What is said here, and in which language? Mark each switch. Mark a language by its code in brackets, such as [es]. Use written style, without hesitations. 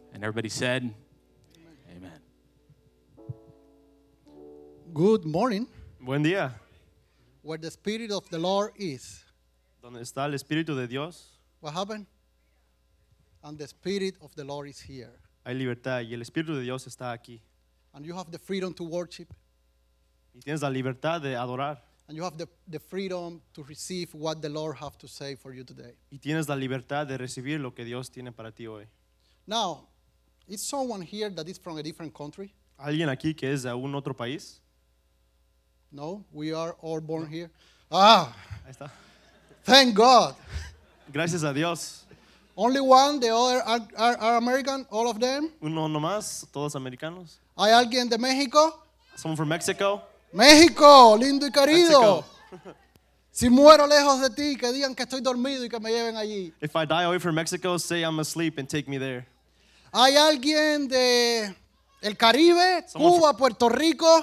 [en] And everybody said, amen. Amen. Good morning. [es] Buen día. [en] Where the Spirit of the Lord is. [es] ¿Dónde está el Espíritu de Dios? [en] What happened? And the Spirit of the Lord is here. [es] Hay libertad y el Espíritu de Dios está aquí. [en] And you have the freedom to worship. [es] Y tienes la libertad de adorar. [en] And you have the freedom to receive what the Lord has to say for you today. [es] Y tienes la libertad de recibir lo que Dios tiene para ti hoy. [en] Now, is someone here that is from a different country? [es] ¿Alguien aquí que es de un otro país? [en] No, we are all born no. Here. Ah, [es] ahí está. [en] Thank God. [es] Gracias a Dios. [en] Only one, the other are American, all of them. [es] Uno nomás, todos americanos. ¿Hay alguien de México? [en] Someone from Mexico. [es] México, lindo y querido. Si muero lejos de ti, que digan que estoy dormido y que me lleven allí. [en] If I die away from Mexico, say I'm asleep and take me there. [es] ¿Hay alguien de el Caribe, [en] someone [es] Cuba, from, Puerto Rico?